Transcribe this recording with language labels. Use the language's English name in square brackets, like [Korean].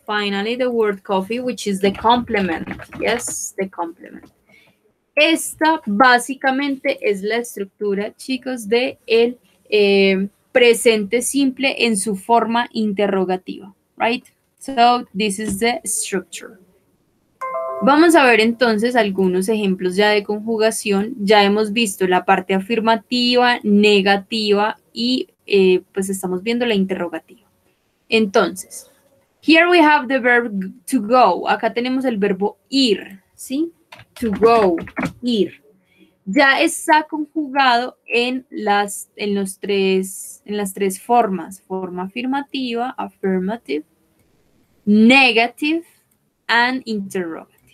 [English] Finally, the word coffee, which is the complement. Yes, the complement. [Spanish] Esta básicamente es la estructura, chicos, de el presente simple en su forma interrogativa. Right? [English] So, this is the structure. [Spanish] Vamos a ver entonces algunos ejemplos ya de conjugación. Ya hemos visto la parte afirmativa, negativa y pues estamos viendo la interrogativa. Entonces, [English] here we have the verb to go. [Spanish] Acá tenemos el verbo ir, ¿sí? [English] To go, [Spanish] ir. Ya está conjugado en las tres formas. Forma afirmativa, [English] affirmative, negative and interrogative.